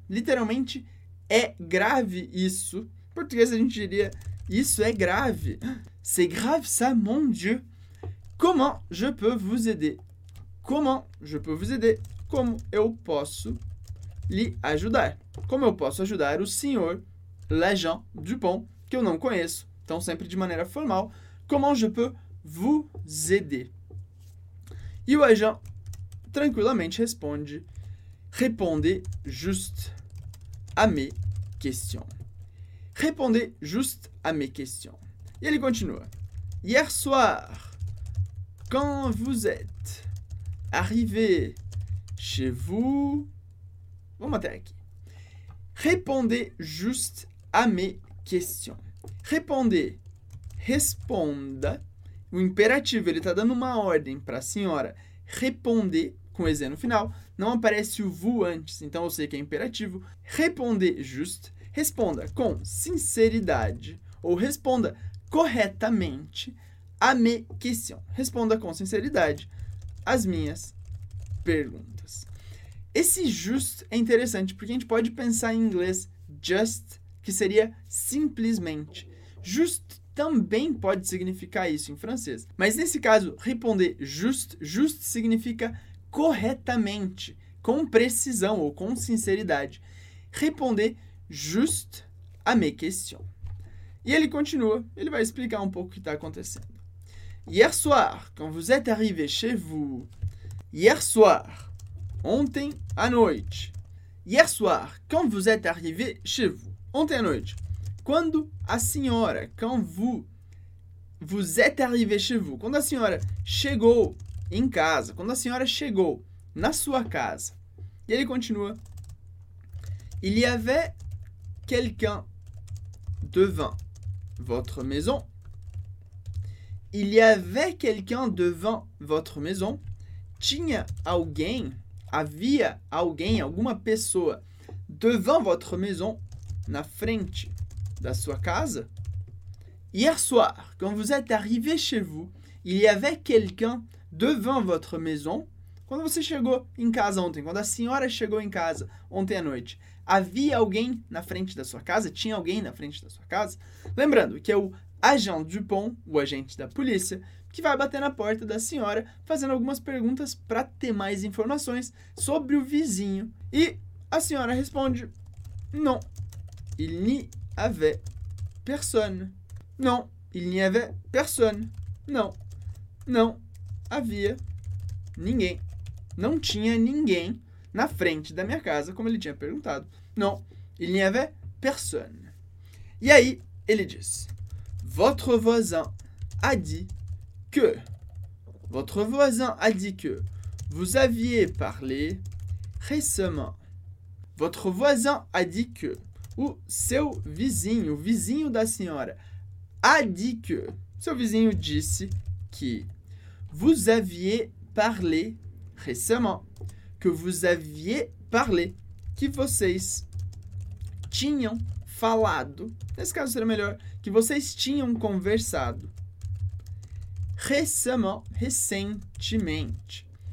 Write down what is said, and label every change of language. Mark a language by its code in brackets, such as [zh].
[pt] Literalmente, é grave isso. Em português a gente diria, isso é grave. [fr] C'est grave ça, mon Dieu. Comment je peux vous aider? Comment je peux vous aider? [pt] Como eu posso lhe ajudar? Como eu posso ajudar o senhor l'agent Dupont, que eu não conheço. Então, sempre de maneira formal. [fr] Comment je peux vous aider? [pt] E o agent tranquilamente responde, [fr] répondez juste à mes questions. Répondez juste à mes questions. [pt] E ele continua. [fr] Hier soir, quand vous êtes arrivé chez vous... [pt] Vamos até aqui. [fr] Répondez juste à mes questions. [pt] Répondez, responda. O imperativo, ele está dando uma ordem para a senhora. Responder, com o Z no final, não aparece o vous antes, então eu sei que é imperativo. Responder justo, responda com sinceridade ou responda corretamente a [fr] mes questions. [pt] Responda com sinceridade as minhas perguntas. Esse justo é interessante porque a gente pode pensar em inglês just, que seria simplesmente. Justo também pode significar isso em francês. Mas nesse caso, responder justo, justo significa corretamente, com precisão ou com sinceridade. Responder justo a [fr] mes questions. [pt] E ele continua, ele vai explicar um pouco o que está acontecendo. [fr] Hier soir, quand vous êtes arrivé chez vous. Hier soir, [pt] ontem à noite. [fr] Hier soir, quand vous êtes arrivé chez vous. [pt] Ontem à noite. Quando a senhora, [fr] quand vous êtes arrivé chez vous. [pt] Quando a senhora chegou em casa, quando a senhora chegou na sua casa. E ele continua. [fr] Il y avait quelqu'un devant votre maison. Il y avait quelqu'un devant votre maison. [pt] Tinha alguém, havia alguém, alguma pessoa [fr] devant votre maison, [pt] na frente da sua casa. [fr] Hier soir, quand vous êtes arrivé chez vous, il y avait quelqu'un devant votre maison. [pt] Quando você chegou em casa ontem, quando a senhora chegou em casa ontem à noite, havia alguém na frente da sua casa? Tinha alguém na frente da sua casa? Lembrando que é o agent Dupont, o agente da polícia, que vai bater na porta da senhora fazendo algumas perguntas para ter mais informações sobre o vizinho. E a senhora responde, [fr] non, il n'y avait personne. Non, il n'y avait personne. [pt] Não, não havia ninguém. Não tinha ninguém na frente da minha casa, como ele tinha perguntado. [fr] Non, il n'y avait personne. [pt] E aí, ele diz, [fr] votre voisin a dit que, votre voisin a dit que, vous aviez parlé récemment. Votre voisin a dit que, [pt] o seu vizinho, o vizinho da senhora, [fr] a dit que, [pt] seu vizinho disse que, [fr] vous aviez parlé récemment, que vous aviez parlé, [pt] que vocês tinham falado, nesse caso seria melhor, que vocês tinham conversado. Récemment, recentemente.